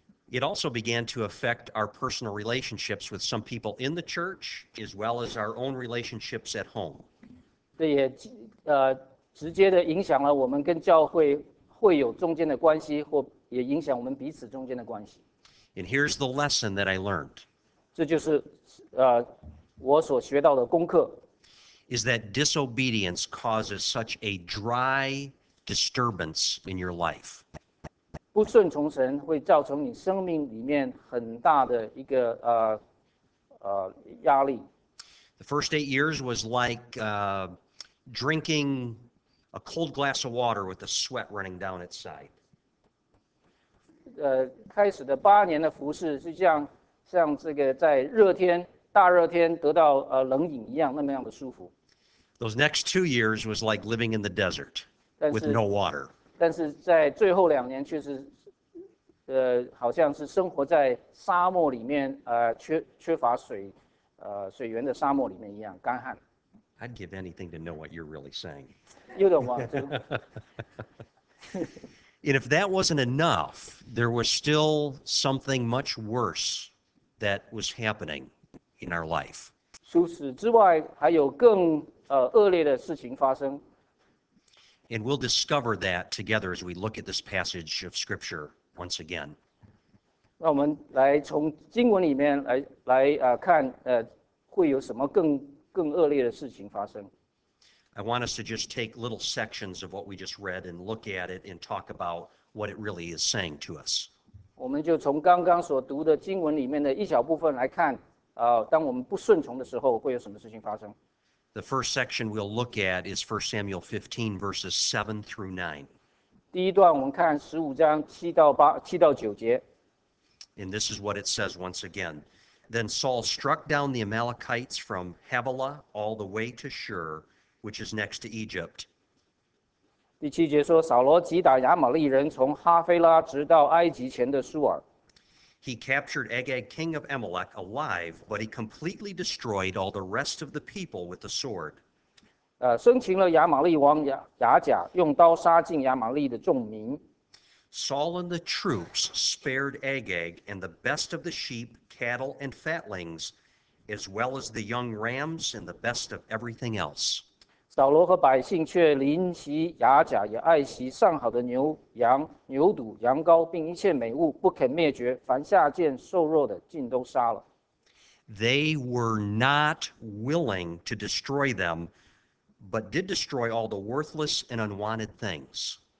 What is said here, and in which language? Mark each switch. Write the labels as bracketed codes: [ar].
[en] It also began to affect our personal relationships with some people in the church, as well as our own relationships at home. [zh] 这也直接的影响了我们跟教会会友中间的关系，或也影响我们彼此中间的关系。 [en] And here's the lesson that I learned. [zh] 这就是我所学到的功课。 [en] Is that disobedience causes such a dry disturbance in your life. [zh] 不顺从神会造成你生命里面很大的一个压力。 [en] The first 8 years was like drinking a cold glass of water with the sweat running down its side. [zh] 开始的八年的服侍是像这个在热天大热天得到冷饮一样那么样的舒服。 [en] Those next 2 years was like living in the desert with no water. [zh] 但是在最后两年却是好像是生活在沙漠里面缺乏水源的沙漠里面一样干旱。 [en] I'd give anything to know what you're really saying. You don't want to. And if that wasn't enough, there was still something much worse that was happening in our life. [zh] 除此之外，还有更恶劣的事情发生。 [en] And we'll discover that together as we look at this passage of Scripture once again. [zh] 那我们来从经文里面来看会有什么更恶劣的事情发生。 [en] I want us to just take little sections of what we just read and look at it and talk about what it really is saying to us. [zh] 我们就从刚刚所读的经文里面的一小部分来看，当我们不顺从的时候，会有什么事情发生？ [en] The first section we'll look at is 1 Samuel 15, verses 7 through 9. [zh] 第一段我们看15章7到9节。 [en] And this is what it says once again. Then Saul struck down the Amalekites from Havilah all the way to Shur, which is next to Egypt. [zh] 第七节说，扫罗击打亚玛力人，从哈菲拉直到埃及前的苏尔。 [en] He captured Agag, king of Amalek, alive, but he completely destroyed all the rest of the people with the sword. [zh] 生擒了亚玛力王亚甲，用刀杀尽亚玛力的众民。 [en] Saul and the troops spared Agag and the best of the sheep, cattle, and fatlings, as well as the young rams and the best of everything else. [zh] 扫罗和百姓却怜惜亚甲，也爱惜上好的牛羊、牛犊、羊羔，并一切美物，不肯灭绝。凡下贱瘦弱的，尽都杀了。 [en] They were not willing to destroy them, but did destroy all the worthless and unwanted things.